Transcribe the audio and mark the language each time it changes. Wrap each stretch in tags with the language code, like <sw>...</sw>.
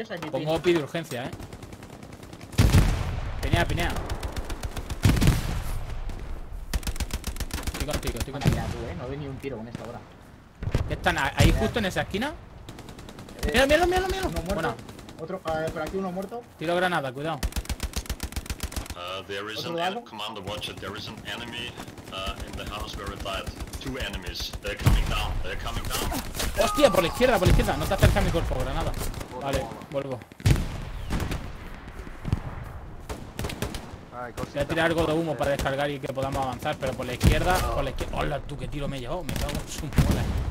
<es>Pongo OPI de urgencia, Pinea, pinea. Estoy contigo. Mira, tú, no doy ni un tiro con esta hora. ¿Están ahí justo en esa esquina? Míralo. Uno muerto. Otro, por aquí uno muerto. Tiro granada, cuidado.</es> <en>There is an commander, watch it. There is an enemy in the house where it died. Two enemies. They're coming down.</en> <es>Hostia, por la izquierda. No te acerques a mi cuerpo, granada. Vale, vuelvo. Voy a tirar algo de humo para descargar y que podamos avanzar, pero por la izquierda, ¡Hola, tú, qué tiro me he llevado! Me cago en su mola.</es>